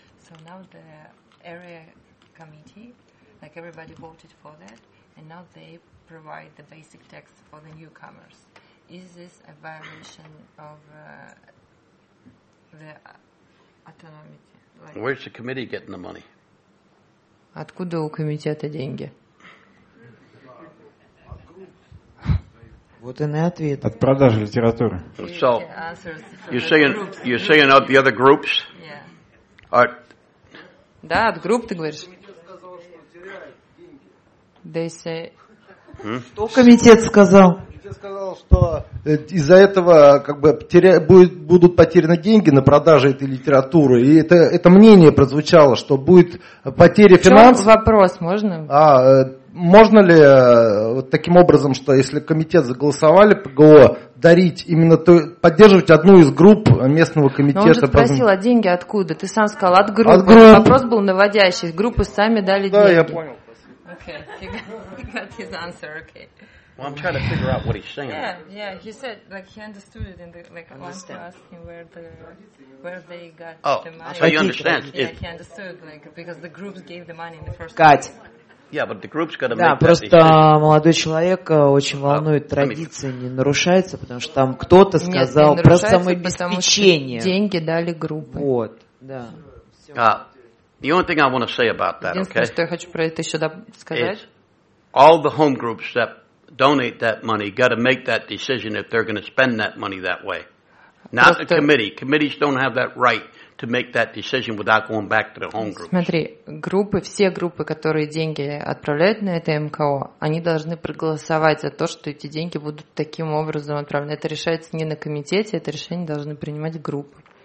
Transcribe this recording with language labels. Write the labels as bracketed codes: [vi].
[en] So now the area committee, like everybody voted for that, and now they provide the basic text for the newcomers. Is this a violation of the autonomy? Like, where's the committee getting the money? [ru] Откуда у комитета деньги? Вот и на ответ. От продажи литературы. [en] So, you're saying of the other groups? Yeah. [ru] Да, от групп ты говоришь. [en] They say. [ru] Что комитет сказал? Сказал, что из-за этого как бы будут потеряны деньги на продаже этой литературы. И это мнение прозвучало, что будет потеря финансов. Вопрос, можно? Можно ли вот таким образом, что если комитет заголосовали ПГО, дарить именно поддерживать одну из групп местного комитета? Но он же спросил, а деньги откуда? Ты сам сказал, от группы. От группы. Вопрос был наводящий. Группы сами дали деньги. Да, я понял. [en] Okay, he got his answer, okay. Well, I'm trying to figure out what he's saying. Yeah, he said, like, he understood it in the, like, understand. One asking where they got the money. Oh, so you understand. Yeah, he understood, like, because the groups gave the money in the first place. Yeah, but the group's got to [ru] make просто молодой человек очень волнует, традиции не нарушаются, потому что там кто-то сказал про самообеспечение. Деньги дали группы. Вот, да. [en] The only thing I want to say about that, okay? [ru] Единственное, что я хочу про это еще сказать. [en] All the home groups that donate that money, got to make that decision if they're going to spend that money that way. Not просто the committee. Committees don't have that right to make that decision without going back to the home groups. [ru] Смотри, группы, все группы, которые деньги отправляют на это МКО, они должны проголосовать за то, что эти деньги будут таким образом отправлены. Это решается не на комитете, это решение должны принимать группы.